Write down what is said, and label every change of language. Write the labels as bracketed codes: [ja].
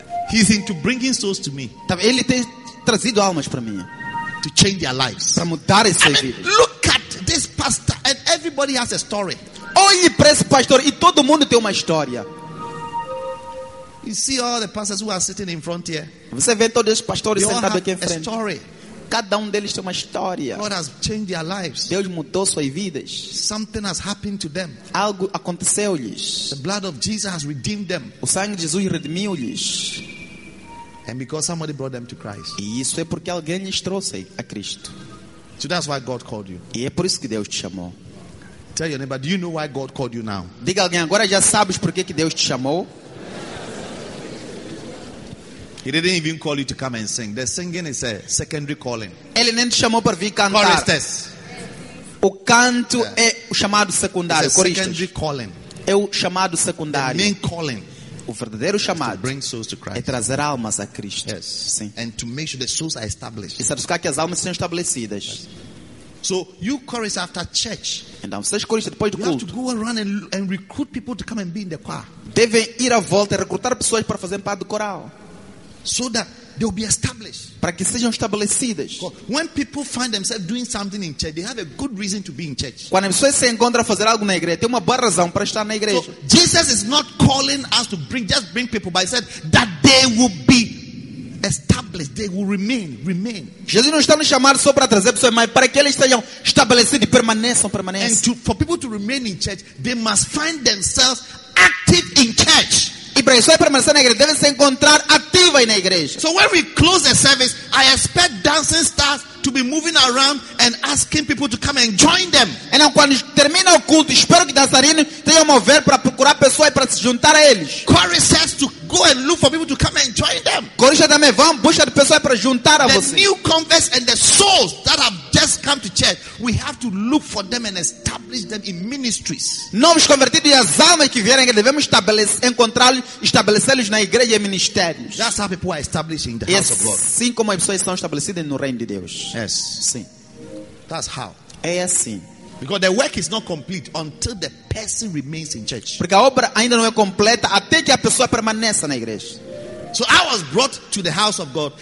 [en] He's into bringing souls to me. [pt] Ele tem trazido almas para mim. [en] To change their lives. [pt] Para mudar as suas vidas. [en] Look at this pastor. And everybody has a story. [pt] Olhe para esse pastor. E todo mundo tem uma história. [en] You see all the pastors who are sitting in front here. [pt] Você vê todos os pastores sentados aqui em frente. [en] A story. [pt] Cada deles tem uma história. [en] God has changed their lives. [pt] Deus mudou suas vidas. [en] Something has happened to them. [pt] Algo aconteceu-lhes. [en] The blood of Jesus has redeemed them. [pt] O sangue de Jesus redimiu-lhes. [en] And because somebody brought them to Christ. [pt] E isso é porque alguém lhes trouxe a Cristo. [en] So that's why God called you. [pt] E é por isso que Deus te chamou. [en] Tell your neighbor, do you know why God called you now? [pt] Diga alguém, agora já sabes por que Deus te chamou? [en] He didn't even call you to come and sing. The singing is a secondary calling. [pt] Ele nem te chamou para vir cantar. [en] Choristers. [pt] O canto é o chamado secundário. [en] It's a secondary calling. [pt] É o chamado secundário. [en] The main calling. [pt] O verdadeiro chamado [en] to bring souls to Christ. [pt] É trazer almas a Cristo. [en] Yes. [pt] Sim. [en] And to make sure the souls are established. [pt] E certificar que as almas sejam estabelecidas. [en] So you chorus after church. [pt] Então vocês choristas depois do [en] you [pt] culto. [en] Have to go around and recruit people to come and be in the choir. [pt] Devem ir à volta e recrutar pessoas para fazer parte do coral. [en] So that they will be established. [pt] Para que sejam estabelecidas. [en] When people find themselves doing something in church, they have a good reason to be in church. [pt] Quando as pessoas se encontram a fazer algo na igreja, tem uma boa razão para estar na igreja. [en] So, Jesus is not calling us to bring people, but he said that they will be established. They will remain. [pt] Jesus não está nos chamando só para trazer pessoas, mas para que eles estejam estabelecidos e permaneçam. [en] And for people to remain in church, they must find themselves active in church. [pt] E para isso é permanecer na igreja, devem se encontrar ativa na igreja. [en] So when we close the service, I expect dancing stars to be moving around and asking people to come and join them. [pt] Então quando termina o culto, espero que dançarinos tenham mover para procurar pessoas para se juntar a eles. [en] Choristers to go and look for people to come and join them. [pt] Coristas também vão buscar pessoas para juntar a [en] the [pt] vocês. [en] The new converts and the souls that have just come to church, we have to look for them and establish them in ministries. [pt] Novos convertidos e as almas que vierem, devemos encontrá-los na igreja e ministérios. [en] That's how people are established in the house of God. [pt] Sim, como as pessoas são estabelecidas no reino de Deus. [en] Yes. [pt] Sim. [en] That's how. [pt] É assim. [en] Because the work is not complete until the person remains in church. [pt] Porque a obra ainda não é completa até que a pessoa permaneça na igreja. [en] So I was brought to the house of God.